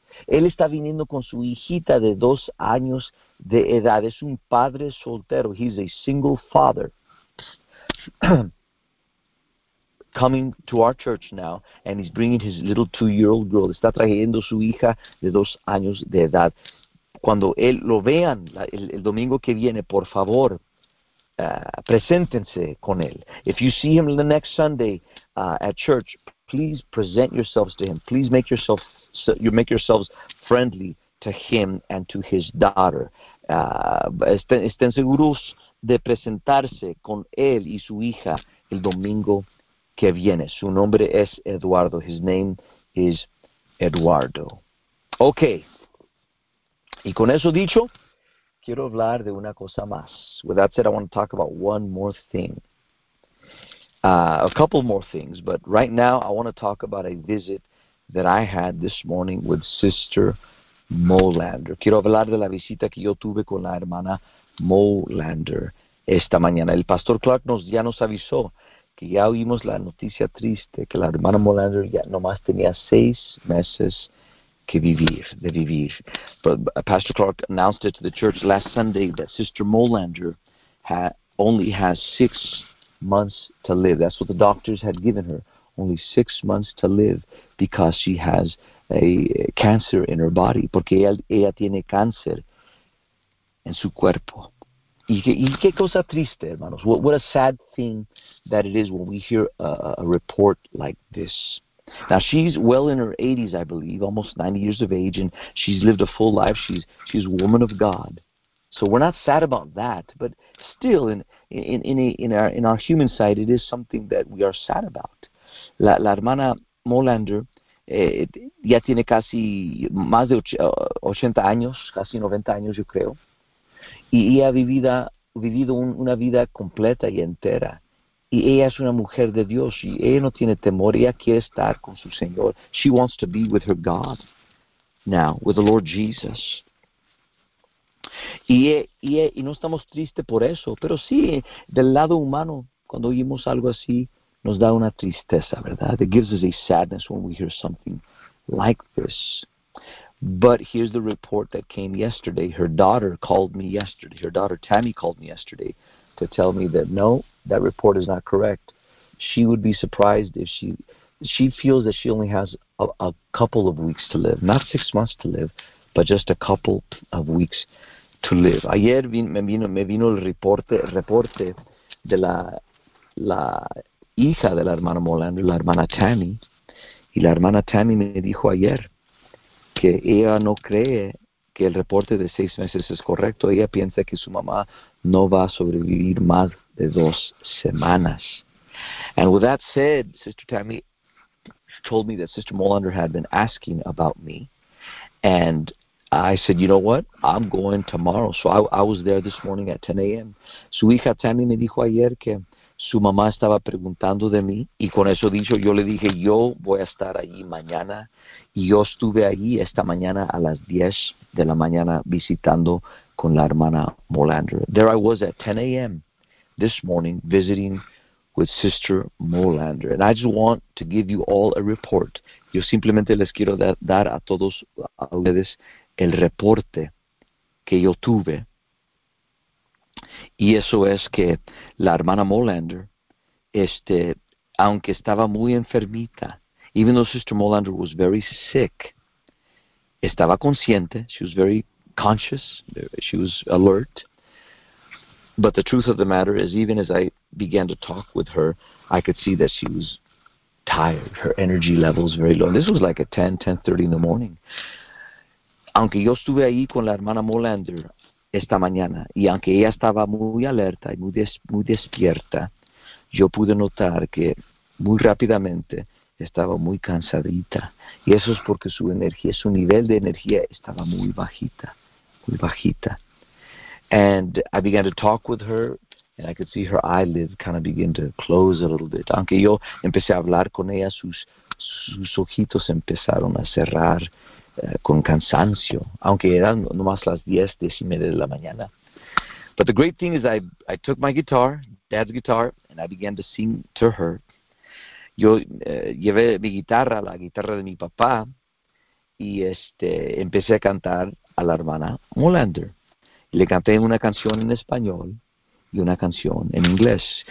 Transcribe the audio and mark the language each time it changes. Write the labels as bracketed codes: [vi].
[es] Él está viniendo con su hijita de 2 años de edad. Es un padre soltero. [en] He's a single father. Coming to our church now, and he's bringing his little two-year-old girl. [es] Está trayendo su hija de 2 años de edad. Cuando él lo vean el domingo que viene, por favor, preséntense con él. [en] If you see him the next Sunday at church, please present yourselves to him. Please make yourselves friendly to him and to his daughter. [es] Estén seguros de presentarse con él y su hija el domingo que viene. Su nombre es Eduardo. [en] His name is Eduardo. Okay. [es] Y con eso dicho, quiero hablar de una cosa más. [en] With that said, I want to talk about one more thing. A couple more things, but right now I want to talk about a visit that I had this morning with Sister Molander. [es] Quiero hablar de la visita que yo tuve con la hermana Molander esta mañana. El pastor Clark ya nos avisó que ya oímos la noticia triste, que la hermana Molander ya nomás tenía 6 meses que vivir, de vivir. [en] But Pastor Clark announced it to the church last Sunday that Sister Molander only has 6 months to live. That's what the doctors had given her, only 6 months to live, because she has a cancer in her body, [es] porque ella tiene cáncer en su cuerpo. Y qué cosa triste, hermanos. [en] What a sad thing that it is when we hear a report like this. Now, she's well in her 80s, I believe, almost 90 years of age, and she's lived a full life. She's a woman of God, So we're not sad about that, but still, in our human side, it is something that we are sad about. [es] La hermana Molander ya tiene casi más de 80 años, casi 90 años, yo creo, y ha vivido una vida completa y entera. Y ella es una mujer de Dios y ella no tiene temor, ella quiere estar con su Señor. [en] She wants to be with her God now, with the Lord Jesus. [es] Y no estamos tristes por eso, pero sí, del lado humano, cuando oímos algo así, nos da una tristeza, ¿verdad? [en] It gives us a sadness when we hear something like this. But here's the report that came yesterday. Her daughter called me yesterday. Her daughter Tammy called me yesterday to tell me that no, that report is not correct. She would be surprised if she feels that she only has a couple of weeks to live, not 6 months to live, but just a couple of weeks to live. [es] Ayer me vino el reporte de la hija de la hermana Molander, la hermana Tammy, y la hermana Tammy me dijo ayer que ella no cree que el reporte de 6 meses es correcto. Ella piensa que su mamá no va a sobrevivir más de 2 semanas. [en] And with that said, Sister Tammy told me that Sister Molander had been asking about me. And I said, you know what? I'm going tomorrow. So I was there this morning at 10 a.m. [es] Su hija Tammy me dijo ayer que su mamá estaba preguntando de mí, y con eso dicho, yo le dije, yo voy a estar allí mañana. Y yo estuve allí esta mañana a las 10 de la mañana visitando con la hermana Molander. [en] There I was at 10 a.m. this morning visiting with Sister Molander. And I just want to give you all a report. [es] Yo simplemente les quiero dar a todos a ustedes el reporte que yo tuve. Y eso es que la hermana Molander, aunque estaba muy enfermita, [en] even though Sister Molander was very sick, [es] estaba consciente, [en] she was very conscious, she was alert. But the truth of the matter is, even as I began to talk with her, I could see that she was tired, her energy levels very low. This was like at 10, 10:30 in the morning. [es] Aunque yo estuve ahí con la hermana Molander esta mañana, y aunque ella estaba muy alerta y muy despierta, yo pude notar que muy rápidamente estaba muy cansadita. Y eso es porque su energía, su nivel de energía estaba muy bajita, muy bajita. [en] And I began to talk with her, and I could see her eyelids kind of begin to close a little bit. [es] Aunque yo empecé a hablar con ella, sus ojitos empezaron a cerrar. Con cansancio, aunque eran nomás las 10:30 de la mañana. [en] But the great thing is I took my guitar, dad's guitar, and I began to sing to her. [es] Yo llevé mi guitarra, la guitarra de mi papá, y empecé a cantar a la hermana Molander. Le canté una canción en español y una canción en inglés.